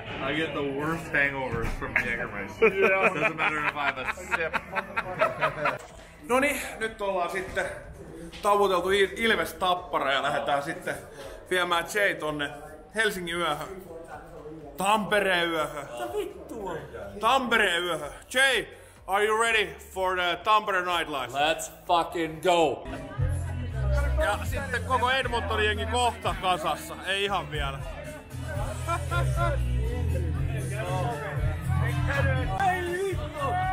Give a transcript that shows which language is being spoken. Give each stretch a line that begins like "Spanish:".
English: I get the worst hangovers from Jägermeister. Yeah. Doesn't matter if I have a sip.
Finnish: No niin, nyt ollaan sitten tavuteltu Ilves-Tappara ja lähdetään sitten viemään Jay tonne Helsingin yöhön. Tampereen yöhön. Mitä vittua? Tampereen yöhön.
English: Jay, are you ready for the Tampere nightlife? Let's fucking go.
Finnish: Ja sitten koko Edmontonin jengi kohta kasassa. Ei ihan vielä. Ei vittu!